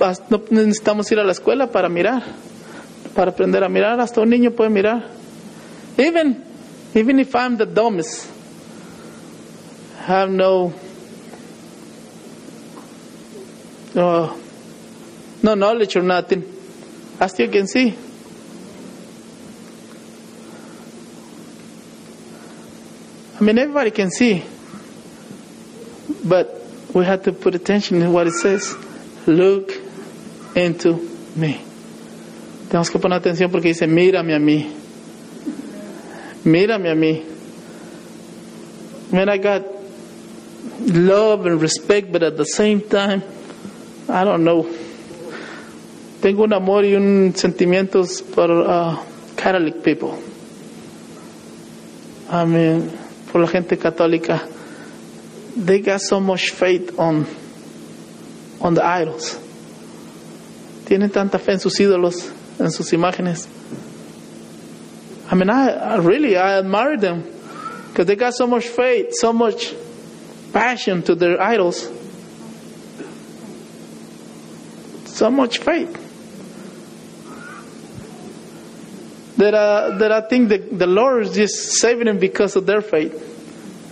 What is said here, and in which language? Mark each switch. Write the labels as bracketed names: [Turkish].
[Spanish] No necesitamos ir a la escuela para mirar, para aprender a mirar. Hasta un niño puede mirar. [English] Even if I'm the dumbest, I have no knowledge or nothing. I still can see. I mean, everybody can see. But we have to put attention in what it says. Look into me. [Spanish] Tenemos que poner atención porque dice, mírame a mí. Mírame a mí. [English] Man, I got love and respect, but at the same time, I don't know. [Spanish] Tengo un amor y un sentimiento por [English] Catholic people. I mean, [Spanish] por la gente católica. [English] They got so much faith on the idols. [Spanish] Tienen tanta fe en sus ídolos, en sus imágenes. [English] I mean, I really admire them. Because they got so much faith, so much passion to their idols. So much faith. That I think the Lord is just saving them because of their faith.